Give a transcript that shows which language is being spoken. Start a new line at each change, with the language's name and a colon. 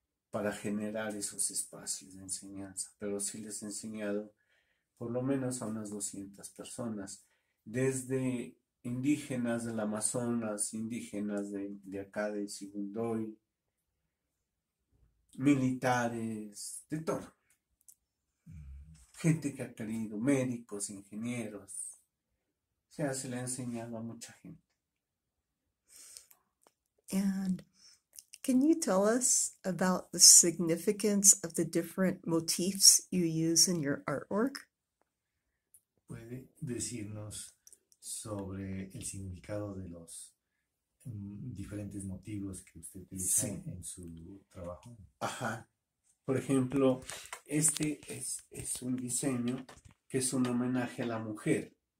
Spanish: para generar esos espacios de enseñanza. Pero sí les he enseñado por lo menos a unas 200 personas, desde indígenas del Amazonas, indígenas de acá de Sibundoy, militares, de todo. Gente que ha querido, médicos, ingenieros. Sea, se le ha enseñado a mucha gente.
English: And can you tell us about the significance of the different motifs you use in your artwork?
Spanish: ¿Puede decirnos sobre el significado de los diferentes motivos que usted utiliza Sí. en su trabajo? Ajá. Por ejemplo, este es un diseño que es un homenaje a la mujer.